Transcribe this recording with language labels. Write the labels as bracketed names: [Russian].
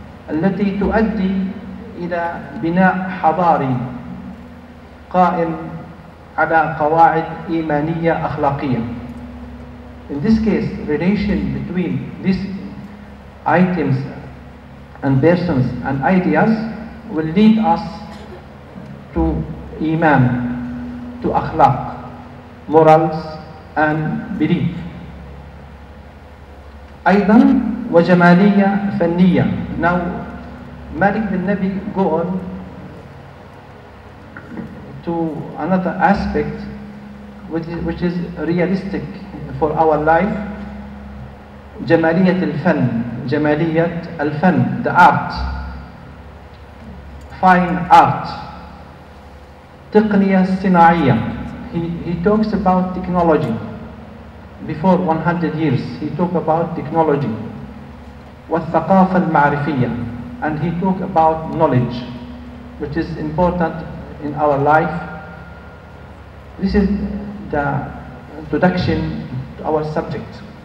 [Arabic] التي تؤدي إلى بناء حضاري قائم على قواعد إيمانية أخلاقية. [English] In this case, relation between these items and persons and ideas will lead us to إيمان, to أخلاق, morals and belief. [Arabic] أيضا وجمالية فنية. [English] Now, Malik bin Nabi go on to another aspect which is realistic for our life. [Arabic] جمالية الفن, جمالية الفن, [English] the art, fine art, [Arabic] تقنية صناعية. [English] He talks about technology. Before 100 years, he talked about technology. [Arabic] والثقافة المعرفية. [English] And he talk about knowledge, which is important in our life. This is the introduction to our subject.